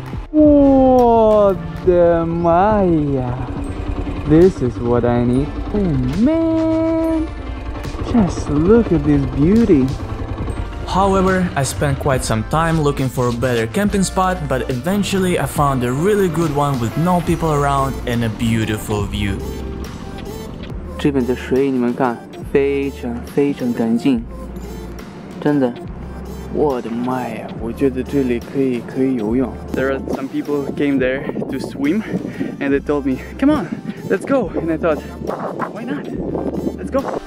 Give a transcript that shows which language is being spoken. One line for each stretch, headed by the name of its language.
English: What the Maya! This is what I need. Oh man! Yes, look at this beauty. However, I spent quite some time looking for a better camping spot, but eventually I found a really good one with no people around and a beautiful view.
Chinese: 这边的水你们看，非常非常干净，真的。我的妈呀，我觉得这里可以游泳。
English: There are some people who came there to swim, and they told me, "Come on, let's go." And I thought, "Why not? Let's go."